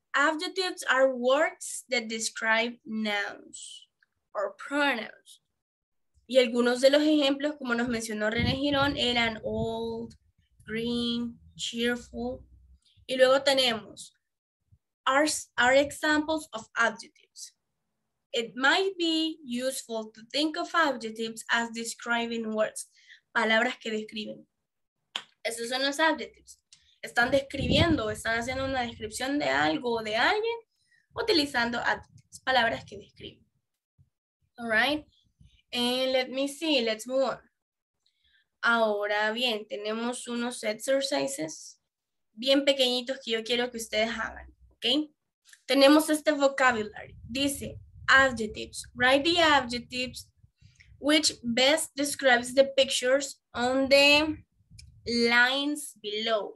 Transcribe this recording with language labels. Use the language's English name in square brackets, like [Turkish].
[English] Adjectives are words that describe nouns or pronouns. [Spanish] Y algunos de los ejemplos, como nos mencionó René Girón, eran old, green, cheerful. Y luego tenemos, [English] are examples of adjectives. It might be useful to think of adjectives as describing words, [Spanish] palabras que describen. Esos son los adjectives. Están describiendo, están haciendo una descripción de algo o de alguien utilizando adjectives, palabras que describen. [English] All right. And let me see, let's move on. [Spanish] Ahora bien, tenemos unos exercises bien pequeñitos que yo quiero que ustedes hagan, ¿ok? Tenemos este vocabulary. Dice, adjectives. [English] Write the adjectives which best describes the pictures on the lines below.